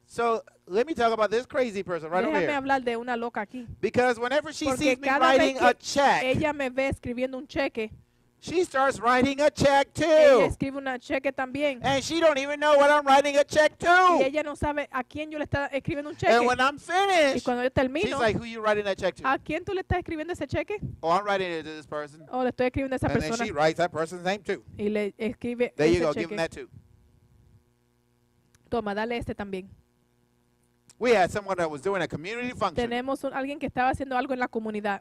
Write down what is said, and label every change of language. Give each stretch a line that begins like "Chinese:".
English: So let me talk about this crazy person right
Spanish: déjame
English: over here.
Spanish: Hablar de una loca aquí.
English: Because whenever she
Spanish: porque
English: sees me writing a check,
Spanish: ella me ve escribiendo un cheque,
English: She starts writing a check too.
Spanish: Ella escribe una cheque también.
English: And she don't even know what I'm writing a check to.
Spanish: Y ella no sabe a quién yo le está escribiendo un cheque.
English: And when I'm finished,
Spanish: y cuando yo termino,
English: she's like, "Who are you writing that check to?"
Spanish: ¿A quién tú le estás escribiendo ese cheque?
English: Oh, I'm writing it to this person.
Spanish: Oh, le estoy escribiendo a esa
English: and
Spanish: persona.
English: And then she writes that person's name too.
Spanish: Y le escribe
English: there
Spanish: ese
English: you go,
Spanish: cheque.
English: Give him that too.
Spanish: Toma, dale este también.
English: We had someone that was doing a community function.
Spanish: Tenemos un, alguien que estaba haciendo algo en la comunidad.